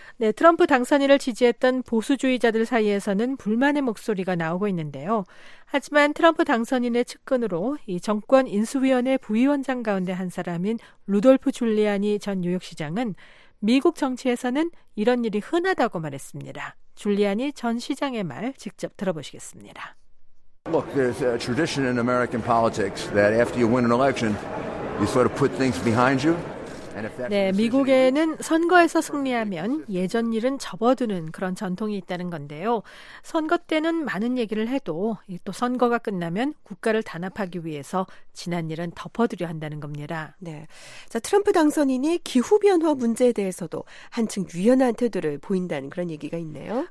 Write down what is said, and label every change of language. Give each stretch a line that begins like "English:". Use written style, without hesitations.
Korean: 네, 트럼프 당선인을 지지했던 보수주의자들 사이에서는 불만의 목소리가 나오고 있는데요. 하지만 트럼프 당선인의 측근으로 이 정권 인수위원회 부위원장 가운데 한 사람인 루돌프 줄리아니 전 뉴욕시장은 미국 정치에서는 이런 일이 흔하다고 말했습니다. 줄리아니 전 시장의 말 직접 들어보시겠습니다.
English: Look, there's a tradition in American politics that after you win an election, you sort of put things behind you.
Korean: 네, 미국에는 선거에서 승리하면 예전 일은 접어두는 그런 전통이 있다는 건데요. 선거 때는 많은 얘기를 해도 또 선거가 끝나면 국가를 단합하기 위해서 지난 일은 덮어두려 한다는 겁니다. 네, 자, 트럼프 당선인이 기후변화 문제에 대해서도 한층 유연한 태도를 보인다는 그런 얘기가 있네요.